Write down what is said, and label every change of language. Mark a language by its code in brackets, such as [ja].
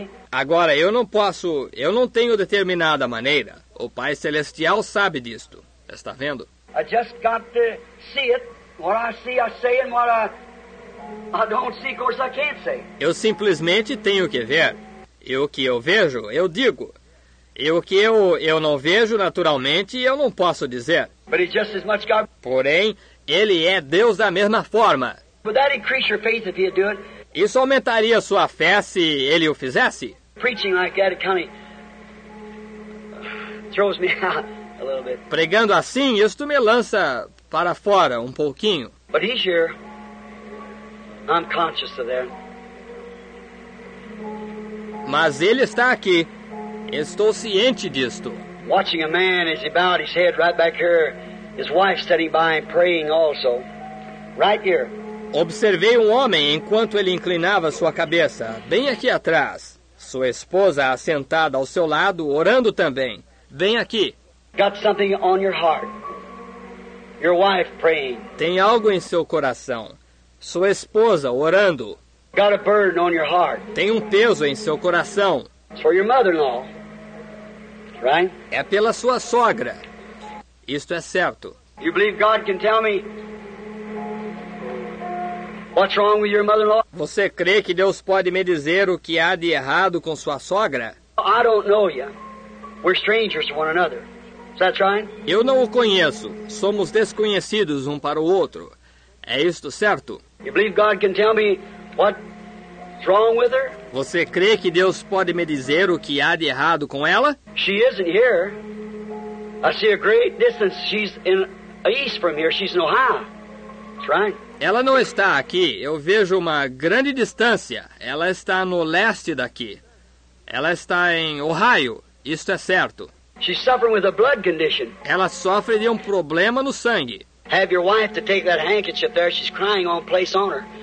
[pt] Agora, eu não posso, eu não tenho determinada maneira. O Pai Celestial sabe disto. Está vendo? [en] I just got to see it. What I see, I say, and what I don't see, of course I can't say. [pt] Eu simplesmente tenho que ver. E o que eu vejo, eu digo. E o que eu não vejo naturalmente, eu não posso dizer. [en] But he's just as much God. [pt] Porém, ele é Deus da mesma forma. [en] Would that increase your faith if he'd do it? [pt] Isso aumentaria sua fé se ele o fizesse? [en] Preaching like that, it kind of throws me out a little bit. [pt] Pregando assim, isto me lança para fora um pouquinho. [en] But he's here. I'm conscious of that. [pt] Mas ele está aqui. Estou ciente disto. [en] Watching a man as he bowed his head right back here, his wife standing by and praying also, right here. [pt] Observei um homem enquanto ele inclinava sua cabeça, bem aqui atrás. Sua esposa assentada ao seu lado, orando também. Vem aqui. [en] Got something on your heart. Your wife praying. [pt] Tem algo em seu coração. Sua esposa orando. [en] Got a burden on your heart. [pt] Tem um peso em seu coração. [en] It's for your mother-in-law. Right? [pt] É pela sua sogra. Isto é certo. [en] You believe God can tell me what's wrong with your mother-in-law? [pt] Você crê que Deus pode me dizer o que há de errado com sua sogra? [en] I don't know you. We're strangers to one another. Is that right? [pt] Eu não o conheço. Somos desconhecidos um para o outro. É isto certo? [en] You believe God can tell me what's wrong with her? [pt] Você crê que Deus pode me dizer o que há de errado com ela? [en] She isn't here. I see a great distance. She's in east from here. She's in Ohio. That's right. [pt] Ela não está aqui. Eu vejo uma grande distância. Ela está no leste daqui. Ela está em Ohio. Isto é certo. [en] She's suffering with a blood condition. [pt] Ela sofre de um problema no sangue. [en] Have your wife to take that handkerchief there. She's crying on place on her.